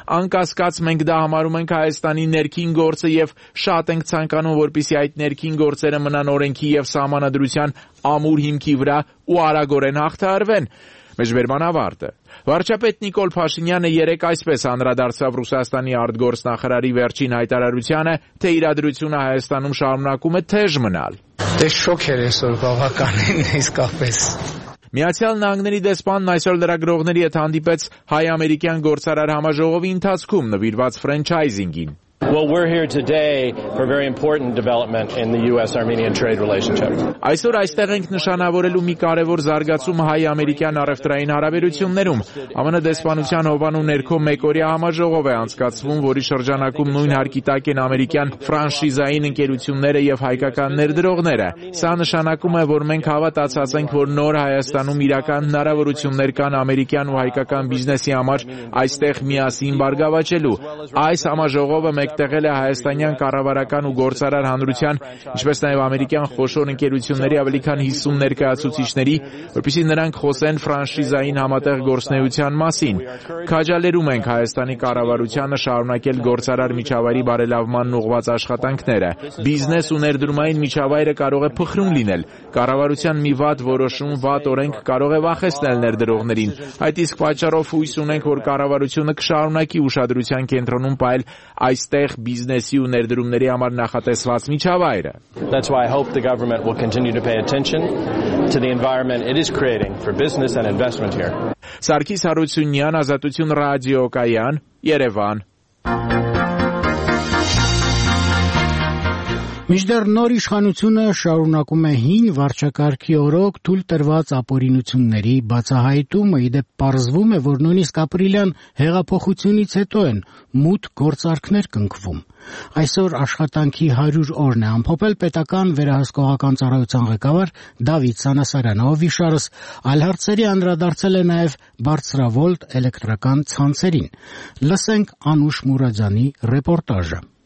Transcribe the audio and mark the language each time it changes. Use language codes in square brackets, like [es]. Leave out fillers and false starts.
[hy] Անկասկած մենք դա համարում ենք Հայաստանի ներքին գործը եւ շատ ենք ցանկանում, որպեսզի այդ ներքին գործերը մնան օրենքի եւ սահմանադրության ամուր հիմքի վրա ու արագորեն հաղթահարվեն»։ Մեջբերման ավարտը։ Վարչապետ Նիկոլ Փաշինյանը երեկ այսպես անդրադարձավ Ռուսաստանի արտգործնախարարի վերջին հայտարարությանը, թե իրադրությունը Հայաստանում շարունակում է թեժ մնալ։ Դե շոք էր այսօր բավականին իսկապես։ Միացյալ Նահանգների դեսպանն այսօր լրագրողների հետ հանդիպեց հայ-ամերիկյան գործարար համաժողովի ընթացքում նվիրված ֆրանչայզինգին։ [en] Well, we're here today for a very important development in the U.S.-Armenian trade relationship. [hy] Այսօր այստեղ ենք նշանավորելու մի կարևոր զարգացում հայ-ամերիկյան առևտրային հարաբերություններում։ ԱՄՆ դեսպանության հովանու ներքո մեկօրյա համաժողով է անցկացվում, որի շրջանակում նույն հարկի տակ են ամերիկյան ֆրանշիզային ընկերությունները եւ հայկական ներդրողները։ Սա նշանակում է, որ մենք հավատացած ենք, որ նոր Հայաստանում իրական հնարավորություններ կան ամերիկյան ու հայկական բիզնեսի համար այստեղ միասին բարգավաճելու։ Այս համաժողովը մեկտեղել է հայաստանյան կառավարական ու գործարար հանրության, ինչպես նաև ամերիկյան խոշոր ընկերությունների ավելի քան 50 ներկայացուցիչների, որպեսզի նրանք խոսեն ֆրանշիզային համատեղ գործնեության մասին։ Քաջալերում ենք հայաստանի կառավարությանը շարունակել գործարար միջավայրի բարելավման ուղղված աշխատանքները։ Բիզնես ու ներդրումային միջավայրը կարող է փխրուն լինել։ Կառավարության մի վատ որոշում, վատ օրենք կարող է վախեցնել ներդրողներին։ Այդ իսկ պատճառով հույս ունենք, որ կառավարությունը կշարունակի ուշադրության կենտրոնում պահել այստեղ բիզնեսի ու ներդրումների համար նախատեսված միջավայրը։ [en] That's why I hope the government will continue to pay attention to the environment it is creating for business and investment here. [hy] Սարգիս Հարությունյան, Ազատություն ռադիո Կայան, Երևան։ Միջդեռ նոր իշխանությունը շարունակում է հին վարչակարգի օրոք թույլ տրված ապօրինությունների բացահայտումը, իդեպ պարզվում է, որ նույնիսկ ապրիլյան հեղափոխությունից հետո են մութ գործարքներ կնքվում։ Այսօր աշխատանքի 100 օրն է ամփոփել պետական վերահսկողական ծառայության ղեկավար Դավիթ Սանասարյանը, ով իշարս այլ հարցերի անդրադարձել է նաև բարձրավոլտ էլեկտրական ցանցերին։ Լսենք Անուշ Մուրադյանի ռեպորտաժը։